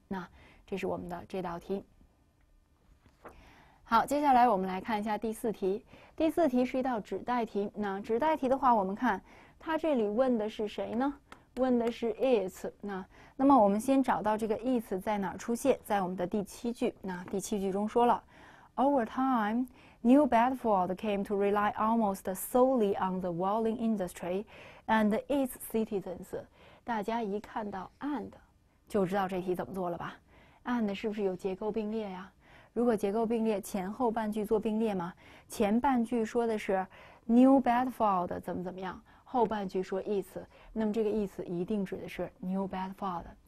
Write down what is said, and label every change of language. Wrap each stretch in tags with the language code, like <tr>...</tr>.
<zh>那这是我们的这道题。好，接下来我们来看一下第四题。第四题是一道指代题。那指代题的话，我们看它这里问的是谁呢？问的是 it。那么我们先找到这个 it 在哪儿出现，在我们的第七句。那第七句中说了，</zh> <en>Over time, New Bedford came to rely almost solely on the whaling industry and its citizens。</en> <zh>大家一看到 and，就知道这题怎么做了吧？and 是不是有结构并列呀？如果结构并列，前后半句做并列吗？前半句说的是 New Bedford 怎么怎么样，后半句说 is，那么这个 is 一定指的是 New Bedford。</zh>